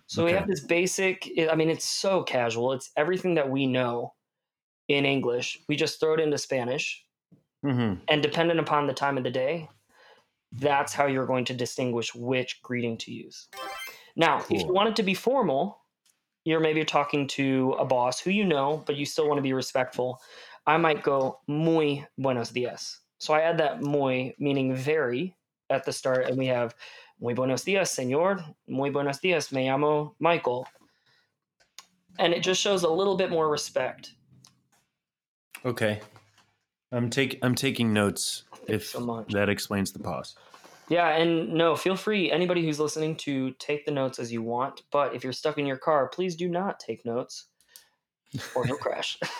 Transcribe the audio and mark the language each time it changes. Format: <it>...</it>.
<en>So okay. We have this basic, I mean, it's so casual. It's everything that we know in English. We just throw it into Spanish. Mm-hmm. And dependent upon the time of the day, that's how you're going to distinguish which greeting to use. Now, cool. If you want it to be formal, you're maybe talking to a boss who you know, but you still want to be respectful. I might go</en> <es>muy buenos dias.</es> <en>So I add that muy, meaning very, at the start. And we have</en> <es>muy buenos dias, señor. Muy buenos dias. Me llamo Michael.</es> <en>And it just shows a little bit more respect. Okay. I'm taking notes. If so much. That explains the pause. Yeah, and no, feel free, anybody who's listening, to take the notes as you want. But if you're stuck in your car, please do not take notes or you'll crash.</en>